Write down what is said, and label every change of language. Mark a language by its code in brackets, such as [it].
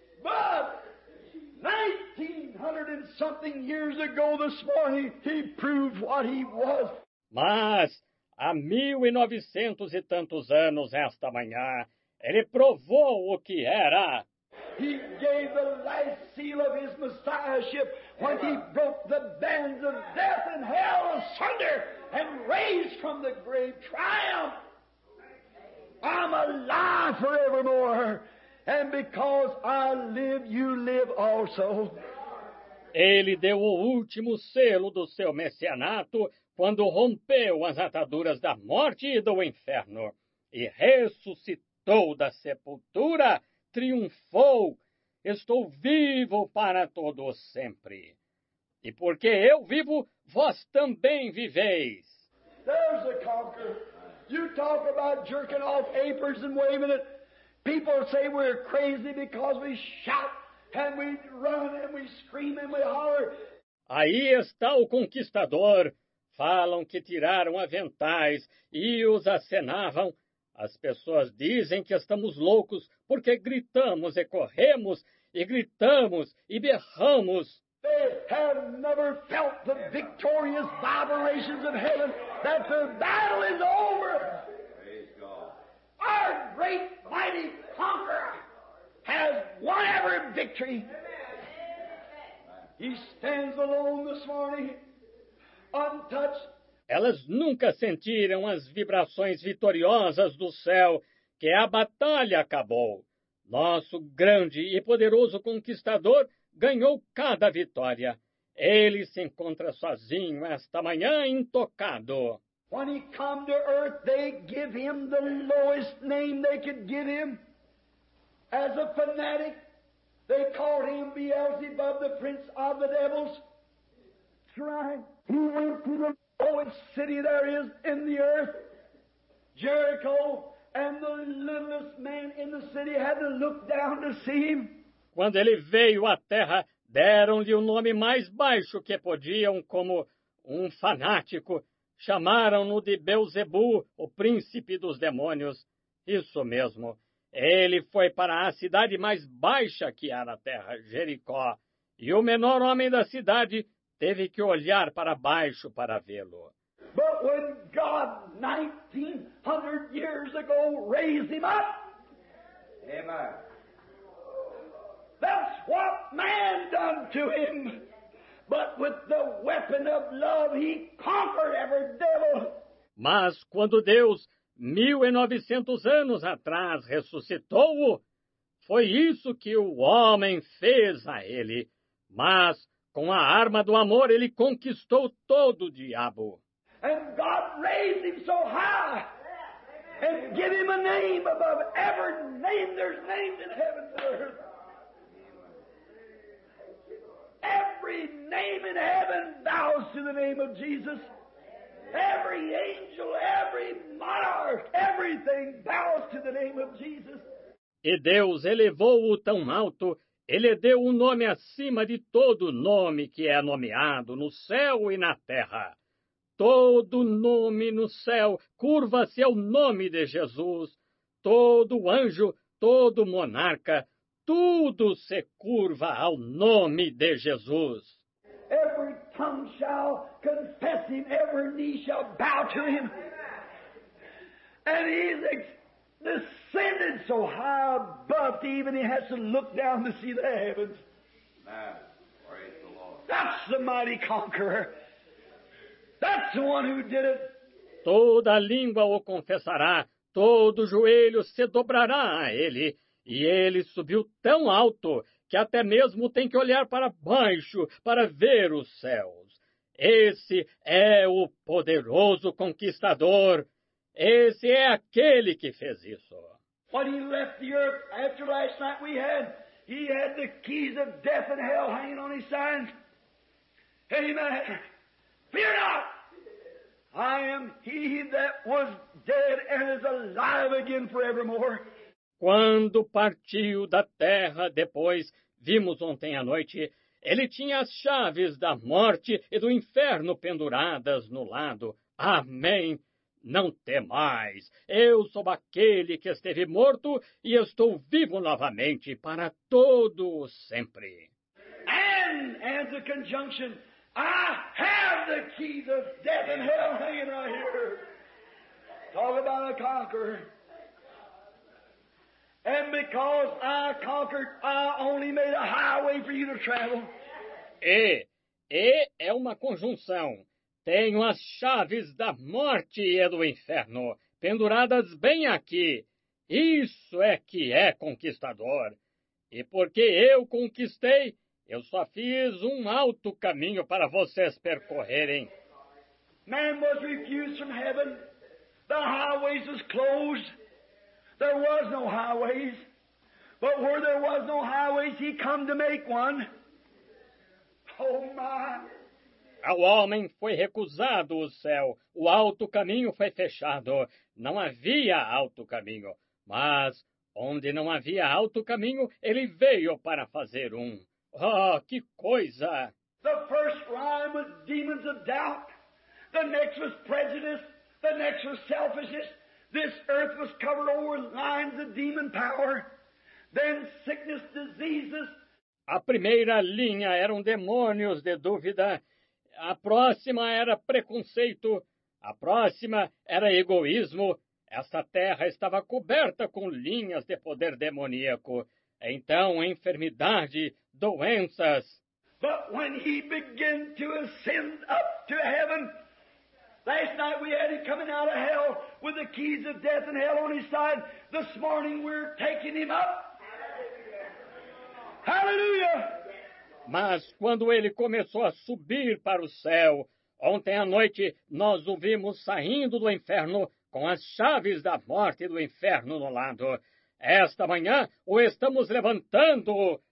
[en] But 1900 and something years ago this morning, he proved what he was. [pt] Mas há 1900 e tantos anos esta manhã, ele provou o que era. [en] He gave the last seal of his messiahship when he broke the bands of death and hell asunder and raised from the grave triumph. I'm alive forevermore. And because I live, you live also. [pt] Ele deu o último selo do seu messianato quando rompeu as ataduras da morte e do inferno e ressuscitou da sepultura, triunfou. Estou vivo para todo sempre. E porque eu vivo, vós também viveis. [en] There's a conqueror. You talk about jerking off aprons and waving it. People say we're crazy because we shout and we run and we scream and we holler. [pt] Aí está o conquistador. Falam que tiraram aventais e os acenavam. As pessoas dizem que estamos loucos porque gritamos e corremos e gritamos e berramos. [en] They have never felt the victorious vibrations of heaven that the battle is over. Our great mighty conqueror has won every victory. He stands alone this morning, untouched. [pt] Elas nunca sentiram as vibrações vitoriosas do céu, que a batalha acabou. Nosso grande e poderoso conquistador ganhou cada vitória. Ele se encontra sozinho esta manhã, intocado. [en] When he come to earth, they give him the lowest name they could give him. As a fanatic, they called him Beelzebub, the prince of the devils. Right. He went to the lowest city there is in the earth, Jericho, and the littlest man in the city had to look down to see him. [pt] Quando ele veio à terra, deram-lhe o nome mais baixo que podiam, como um fanático. Chamaram-no de Beelzebu, o príncipe dos demônios. Isso mesmo. Ele foi para a cidade mais baixa que há na terra, Jericó. E o menor homem da cidade teve que olhar para baixo para vê-lo. [en] But when God 1900 years ago raised him up. Amen. That's what man done to him. But with the weapon of love he conquered every devil. [pt] Mas quando Deus 1900 anos atrás ressuscitou-o, foi isso que o homem fez a ele. Mas com a arma do amor, ele conquistou todo o diabo. [en] And God raised him so high and give him a name above every name there's named in heaven and earth. Every name in heaven bows to the name of Jesus. Every angel, every monarch, everything bows to the name of Jesus. [pt] E Deus elevou-o tão alto Ele deu um nome acima de todo nome que é nomeado no céu e na terra. Todo nome no céu curva-se ao nome de Jesus. Todo anjo, todo monarca, tudo se curva ao nome de Jesus. [en] Every tongue shall confess him, every knee shall bow to him. And he's descended so high above, even he has to look down to see the heavens. Man, praise the Lord. That's the mighty conqueror. That's the one who did it. [pt] Toda língua o confessará, todo joelho se dobrará a ele. E ele subiu tão alto que até mesmo tem que olhar para baixo para ver os céus. Esse é o poderoso conquistador. Esse é aquele que fez isso. [en] When he left the earth after last night we had, he had the keys of death and hell hanging on his signs. Amen. Fear not. I am he that was dead and is alive again forevermore. [pt] Quando partiu da terra depois, vimos ontem à noite, ele tinha as chaves da morte e do inferno penduradas no lado. Amém. Não temais. Eu sou aquele que esteve morto e estou vivo novamente para todo o sempre. [en] And the conjunction, I have the keys of death and hell hanging out here. Talk about a conqueror. And because I conquered, I only made a highway for you to travel. [pt] E é uma conjunção. Tenho as chaves da morte e do inferno penduradas bem aqui. Isso é que é conquistador. E porque eu conquistei, eu só fiz um alto caminho para vocês percorrerem. [en] Man was refused from heaven. The highways was closed. There was no highways, but where there was no highways, he come to make one. Oh, my. [pt] Ao homem foi recusado o céu, o alto caminho foi fechado. Não havia alto caminho, mas onde não havia alto caminho, ele veio para fazer um. Oh, que coisa! [en] The first rhyme was demons of doubt. The next was prejudice. The next was selfishness. This earth was covered over with lines of demon power. Then sickness, diseases. [pt] A primeira linha eram demônios de dúvida. A próxima era preconceito. A próxima era egoísmo. Essa terra estava coberta com linhas de poder demoníaco. Então, enfermidade, doenças. [en] But when he began to ascend up to heaven, last night we had him coming out of hell with the keys of death and hell on his side. This morning we're taking him up. Hallelujah! [pt] Mas quando ele começou a subir para o céu, ontem à noite nós o vimos saindo do inferno com as chaves da morte e do inferno no lado. Esta manhã o estamos levantando.